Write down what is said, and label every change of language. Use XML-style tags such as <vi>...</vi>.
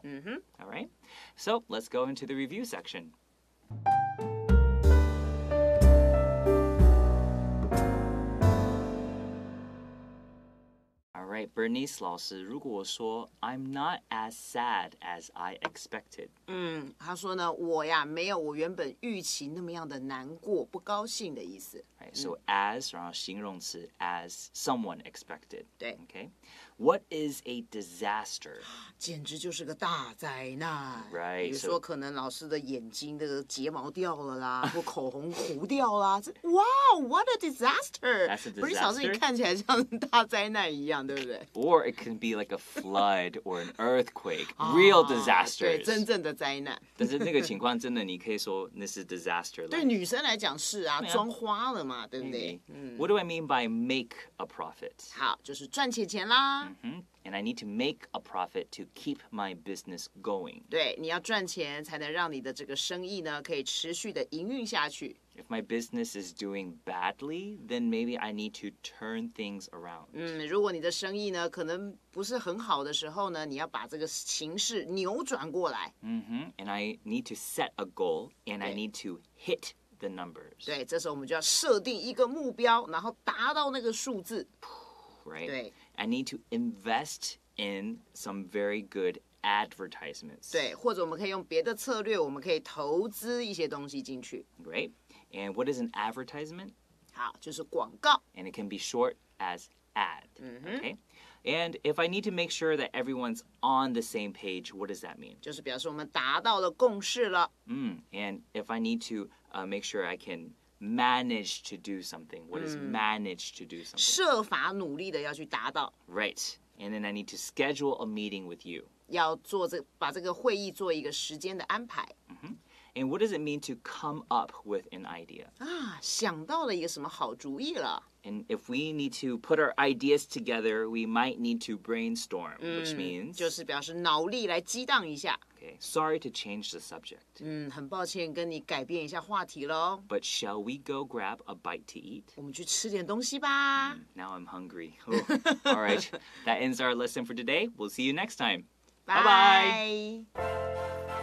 <en>All right, so let's go into the review section. All right, Bernice</en> <zh>老师，如果说</zh> <en>I'm not as sad as I expected.</en> <zh>他说呢，我呀没有我原本预期那么样的难过，不高兴的意思。</zh> <en>Right, so as</en> <zh>然后形容词</zh> <en>as someone expected.</en> <zh>对</zh> <en>，Okay. What is a disaster?</en> <zh>简直就是个大灾难。</zh> <en>Right.</en> <zh>比如说可能老师的眼睛的睫毛掉了啦，或口红糊掉啦。</zh> <en>Wow, what a disaster. That's a disaster.</en> <zh>不是老师你看起来像大灾难一样，对不对？</zh> <en>Or it can be like a flood or an earthquake. Real disasters.</en> <zh>对，真正的灾难。但是那个情况真的你可以说那是 disaster. 对女生来讲是啊，妆花了嘛，对不对？</zh> <en>What do I mean by make a profit?</en> <zh>好，就是赚钱钱啦。</zh> <en>And I need to make a profit to keep my business going.</en> <zh>对，你要赚钱才能让你的这个生意呢可以持续的营运下去。</zh> <en>If my business is doing badly, then maybe I need to turn things around.</en> <zh>嗯，如果你的生意呢，可能不是很好的时候呢，你要把这个形势扭转过来。 Mm-hmm.</zh> <en>And I need to set a goal, and I need to hit the numbers.</en> <zh>对，这时候我们就要设定一个目标，然后达到那个数字。</zh> <en>Right.</en> <zh>对。</zh> <en>I need to invest in some very good advertisements.</en> <zh>对，或者我们可以用别的策略，我们可以投资一些东西进去。</zh> <en>Right. And what is an advertisement?</en> <zh>好，就是广告。</zh> <en>And it can be short as ad.、 Mm-hmm. Okay. And if I need to make sure that everyone's on the same page, what does that mean?</en> <zh>就是表示我们达到了共识了。 Mm.</zh> <en>And if I need to make sure I can manage to do something, what is manage to do something?</en> <zh>设法努力的要去达到。</zh> <en>Right. And then I need to schedule a meeting with you.</en> <zh>要做这把这个会议做一个时间的安排。 Mm-hmm.</zh> <en>And what does it mean to come up with an idea?</en> <zh>啊，想到了一个什么好主意了。</zh> <en>And if we need to put our ideas together, we might need to brainstorm, which means...</en> <zh>就是表示脑力来激荡一下。</zh> <en>Okay, sorry to change the subject.</en> <zh>嗯，很抱歉跟你改变一下话题咯。</zh> <en>But shall we go grab a bite to eat?</en> <zh>我们去吃点东西吧。</zh> <en>Now I'm hungry. Oh, all right, that ends our lesson for today. We'll see you next time. Bye-bye.</en>